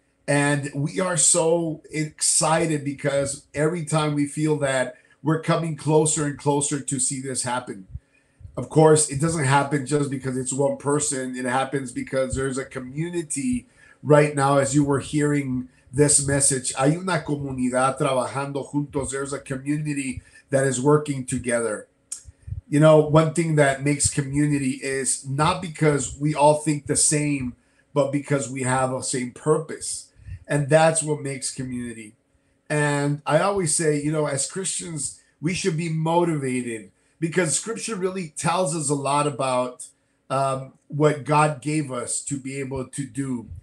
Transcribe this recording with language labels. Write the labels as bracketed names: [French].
[English] And we are so excited because every time we feel that we're coming closer and closer to see this happen. Of course, it doesn't happen just because it's one person. It happens because there's a community right now, as you were hearing this message. [Spanish] Hay una comunidad trabajando juntos. [English] There's a community that is working together. You know, one thing that makes community is not because we all think the same, but because we have a same purpose. And that's what makes community. And I always say, you know, as Christians, we should be motivated because scripture really tells us a lot about what God gave us to be able to do.